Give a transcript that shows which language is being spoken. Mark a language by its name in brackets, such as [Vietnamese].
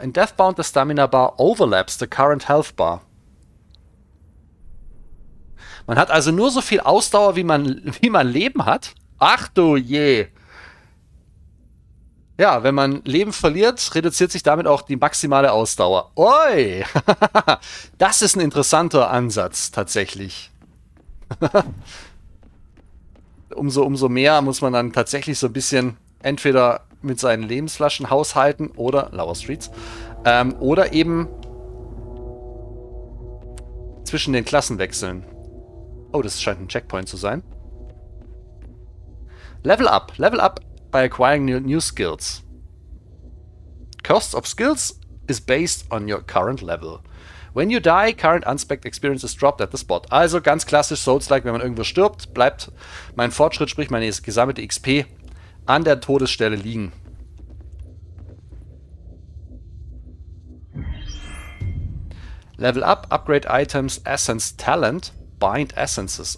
[English] In Deathbound, the Stamina Bar overlaps the current Health Bar. [German] Man hat also nur so viel Ausdauer, wie man Leben hat. Ach du je! Ja, wenn man Leben verliert, reduziert sich damit auch die maximale Ausdauer. Oi! Das ist ein interessanter Ansatz tatsächlich. Umso mehr muss man dann tatsächlich so ein bisschen entweder mit seinen Lebensflaschen haushalten oder Lower Streets oder eben zwischen den Klassen wechseln. Oh, das scheint ein Checkpoint zu sein. [English] Level up, level up. By acquiring new skills. Cost of skills is based on your current level. When you die, current unspec experience is dropped at the spot. [German] Also ganz klassisch Souls-like, wenn man irgendwo stirbt, bleibt mein Fortschritt, sprich meine gesammelte XP, an der Todesstelle liegen. [English] Level up, upgrade items, essence, talent, bind essences.